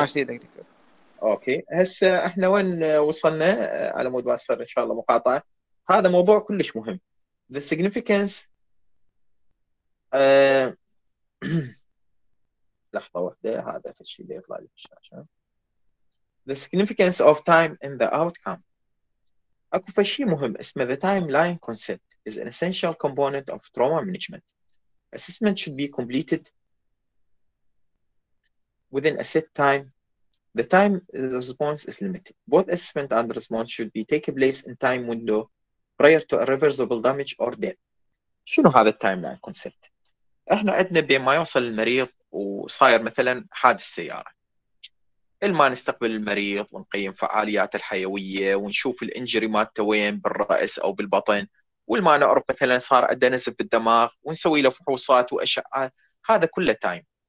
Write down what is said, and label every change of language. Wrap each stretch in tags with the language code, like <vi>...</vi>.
<ar>عاش ايدك دكتور. اوكي، هسه احنا وين وصلنا على مود ماستر ان شاء الله مقاطعه. هذا موضوع كلش مهم.</ar> <en>The significance</en> <ar>لحظة واحدة، هذا في الشيء اللي يطلع لي في الشاشة.</ar> <en>The significance of time in the outcome.</en> <ar>أكو في شيء مهم اسمه</ar> <en>the timeline concept is an essential component of trauma management. Assessment should be completed within a set time. The time response is limited. Both assessment and response should be take place in time window prior to irreversible damage or death.</en> <ar>شنو هذا التايملاين كونسبت؟ احنا عندنا بين ما يوصل المريض وصاير مثلا حادث سياره، ما نستقبل المريض ونقيم فعاليات الحيوية ونشوف الانجري مالته وين، بالرأس أو بالبطن، والما نعرف مثلا صار عنده نزف بالدماغ ونسوي له فحوصات وأشعة. هذا كله تايم.</ar>